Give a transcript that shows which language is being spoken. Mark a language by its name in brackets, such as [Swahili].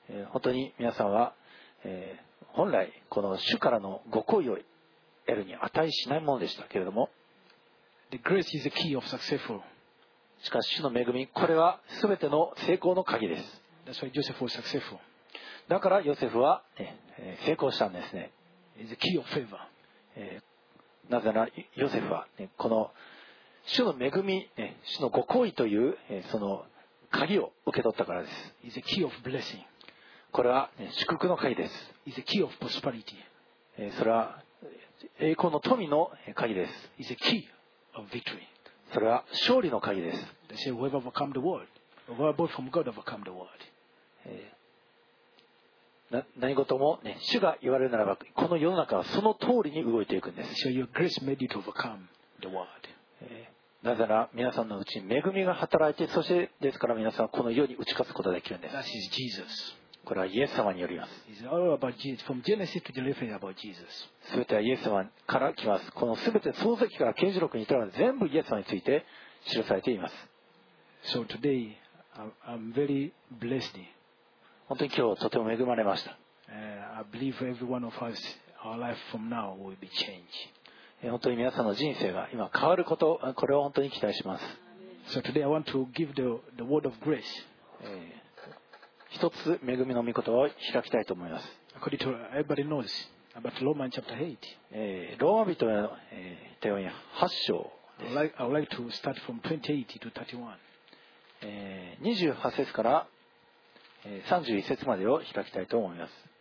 [Japanese] 本当に皆さんは、本来この主からのご好意を得るに値しないものでしたけれども、 [English] The grace is the key of successful. [Japanese] しかし主の恵み、これは全ての成功の鍵です。 [English] That's why Joseph was successful. [Japanese] だからヨセフは、成功したんですね。 [English] It's the key of favor. [Japanese] なぜならヨセフは、ね、この主の恵み、主のご好意という、その鍵を受け取ったからです。 [English] It's the key of blessing. [Japanese] これは祝福の鍵です。 [English] It's a key of prosperity. [Japanese] それは栄光の富の鍵です。 [English] It's a key of victory. [Japanese] それは勝利の鍵です。 [English] They say, whoever overcome the world, whoever born from God overcome the world. [Japanese] 何事も、ね、主が言われるならば、この世の中はその通りに動いていくんです。 [English] So your grace made you to overcome the world. [Japanese] なぜなら皆さんのうちに恵みが働いて、そしてですから皆さんはこの世に打ち勝つことができるんです。 [English] That is Jesus. [Japanese] これはイエス様によります。全てはイエス様から来ます。この全て創世記から啓示録に至るまで全部イエス様について記されています。 [English] So today, I'm very blessed. [Japanese] 本当に今日とても恵まれました。 [English] I believe every one of us, our life from now will be changed. [Japanese] 本当に皆さんの人生が今変わること、これを本当に期待します。 [English] So today I want to give the word of grace. [Japanese] 一つ恵みの御言葉を開きたいと思います。 [English] Everybody knows about Romans chapter 8. [Japanese] ローマ人への、手紙8章です。 [English] I would like to start from 28 to 31. [Japanese] 28節から、31節までを開きたいと思います。